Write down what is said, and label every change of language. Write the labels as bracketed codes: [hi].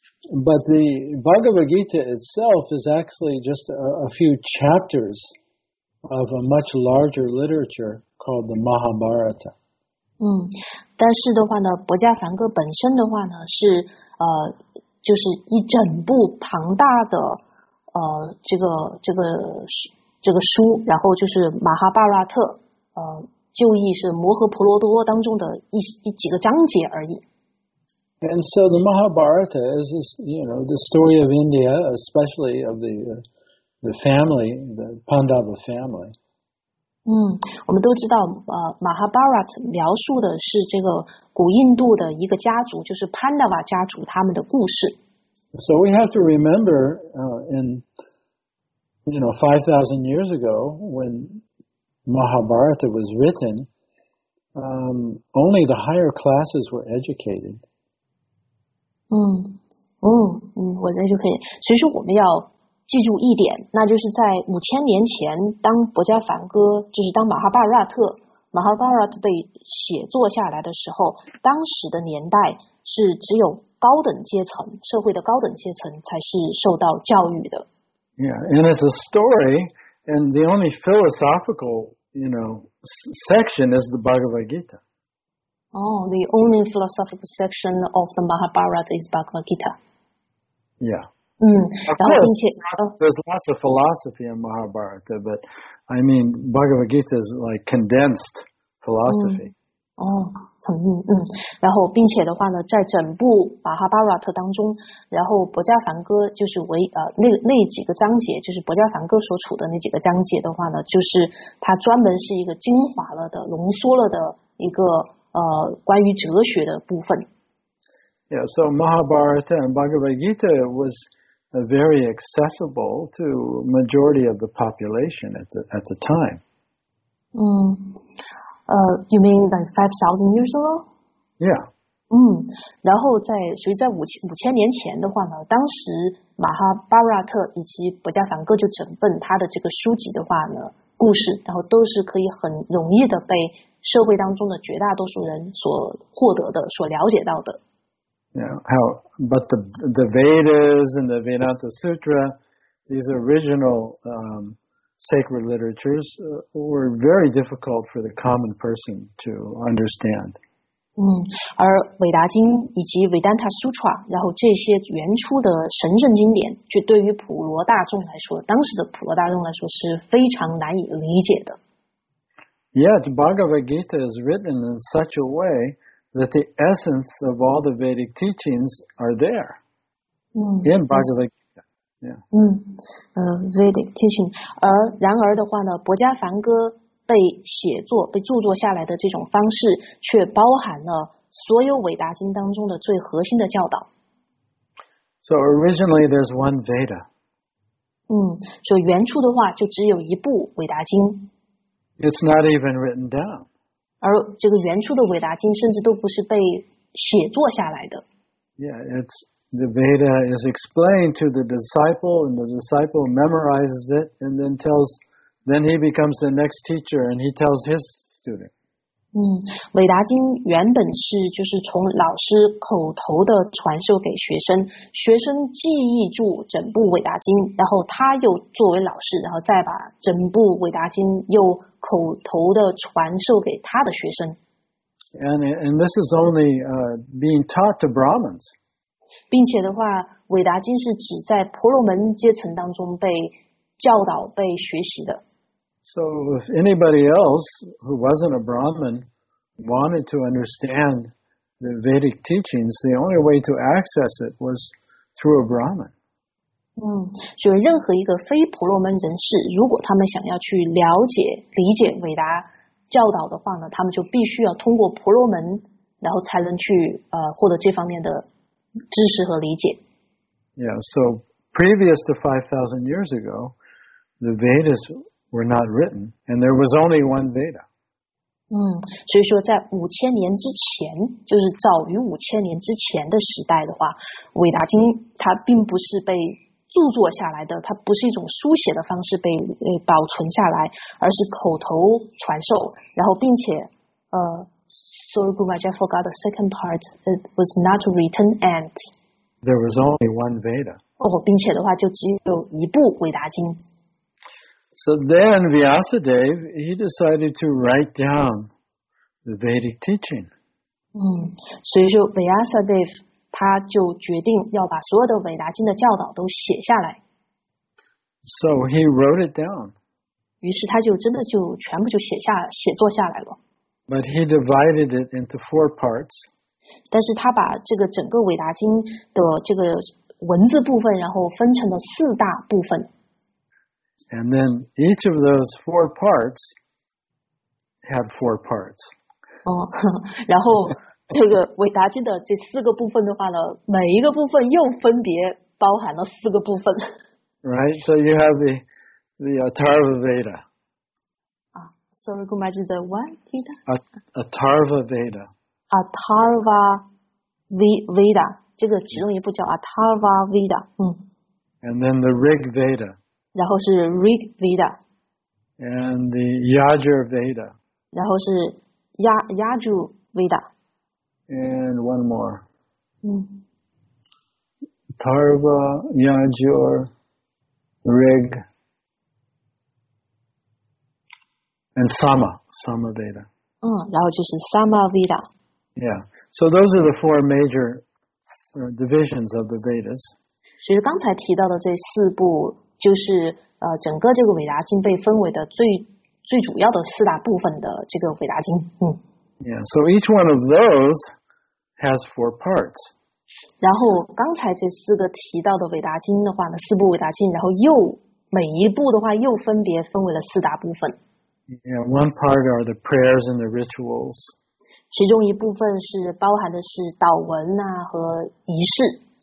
[en] But the Bhagavad Gita itself is actually just a few chapters of a much larger literature called the Mahabharata. [zh] 但是的话呢，《博伽梵歌》本身的话呢，是就是一整部庞大的这个书，然后就是马哈巴拉特，旧译是摩诃婆罗多当中的一几个章节而已。 [en] And so the Mahabharata is this, you know, the story of India, especially of the family, the Pandava family. [zh] 我们都知道，Mahabharata 描述的是这个古印度的一个家族，就是 Pandava 家族他们的故事。 [en] So we have to remember, in, you know, 5,000 years ago, when Mahabharata was written, only the higher classes were educated. was educated. [zh] 所以说我们要记住一点，那就是在5000年前，当《博伽梵歌》就是当马哈巴拉特被写作下来的时候，当时的年代是只有高等阶层，社会的高等阶层才是受到教育的。 [en] Yeah, and it's a story, and the only philosophical, you know, section is the Bhagavad Gita. Oh, the only philosophical section of the Mahabharata is Bhagavad Gita. Yeah. Of course, there's lots of philosophy in Mahabharata, but I mean, Bhagavad Gita is like condensed philosophy. [zh] 然后并且的话呢，在整部马哈巴拉特当中，然后博伽梵歌就是那几个章节，就是博伽梵歌所处的那几个章节的话呢，就是它专门是一个精华了的、浓缩了的一个关于哲学的部分。 [en] Yeah, so Mahabharata and Bhagavad Gita was very accessible to majority of the population at the time. You mean like 5,000 years ago? Yeah. [zh] 然后在5000年前的话呢，当时马哈巴拉特以及博伽梵歌就整本他的这个书籍的话呢，故事，然后都是可以很容易的被社会当中的绝大多数人所获得的，所了解到的。 [en] Yeah, but the Vedas and the Vedanta Sutra, these original sacred literatures were very difficult for the common person to understand. [zh] 而韦达经以及维丹塔苏特，然后这些原初的神圣经典，却对于普罗大众来说，当时的普罗大众来说是非常难以理解的。 [en] Yet Bhagavad Gita is written in such a way that the essence of all the Vedic teachings are there. In Bhagavad Gita. Vedic teaching. [zh] 然而的话呢，博伽梵歌被写作、被著作下来的这种方式，却包含了所有伟达经当中的最核心的教导。 [en] So originally there's one Veda. [zh] 所以原初的话就只有一部伟达经。 [en] It's not even written down. [zh] 而这个原初的伟达经甚至都不是被写作下来的。 [en] Yeah, it's the Veda is explained to the disciple, and the disciple memorizes it, and then then he becomes the next teacher, and he tells his student. [zh] 伟达经原本是就是从老师口头的传授给学生，学生记忆住整部伟达经，然后他又作为老师，然后再把整部伟达经又口头的传授给他的学生。 [en] And this is only being taught to Brahmins. [zh] 并且的话，伟达经是只在婆罗门阶层当中被教导、被学习的。 [en] So if anybody else who wasn't a Brahmin wanted to understand the Vedic teachings, the only way to access it was through a Brahmin. [zh] 就任何一个非婆罗门人士，如果他们想要去了解、理解伟大教导的话呢，他们就必须要通过婆罗门，然后才能去获得这方面的知识和理解。 [en] Yeah, so previous to 5,000 years ago, the Vedas were not written, and there was only one Veda. [zh] 所以说在五千年之前，就是早于五千年之前的时代的话，伟达经它并不是被著作下来的，它不是一种书写的方式被保存下来，而是口头传授，然后并且 [en] Sorry, Guru Maharaj, I forgot the second part. It was not written and... There was only one Veda. [zh] 并且的话就只有一部维达经。 [en] So then Vyasadeva, he decided to write down the Vedic teaching. [zh] 所以说 Vyasadeva, 他就决定要把所有的维达经的教导都写下来。 [en] So he wrote it down. [zh] 于是他就真的就全部就写作下来了。 [en] But he divided it into four parts. [zh] 但是他把这个整个伟达经的这个文字部分，然后分成了四大部分。 [en] And then each of those four parts had four parts. [zh] 然后这个伟达经的这四个部分的话呢，每一个部分又分别包含了四个部分。 [en] Right, so you have the Atharva Veda. Sorry, Guru Maharaj, the what Veda? Atharva Veda. [zh] Atharva Veda. 这个其中一部叫 Atharva Veda. [en] And then the Rig Veda. [zh] 然后是 Rig Veda. [en] And the Yajur Veda. [zh] 然后是 Yajur Veda. [en] And one more. Atharva, Yajur, Rig. And Sama Veda. [zh] 然后就是 Sama Veda. [en] Yeah, so those are the four major divisions of the Vedas. [zh] 其实刚才提到的这四部就是整个这个伟达经被分为的最主要的四大部分的这个伟达经。 [en] Yeah, so each one of those has four parts. [zh] 然后刚才这四个提到的伟达经的话呢，四部伟达经，然后又每一部的话又分别分为了四大部分。 [en] Yeah, one part are the prayers and the rituals. [zh] 其中一部分是包含的是祷文啊和仪式。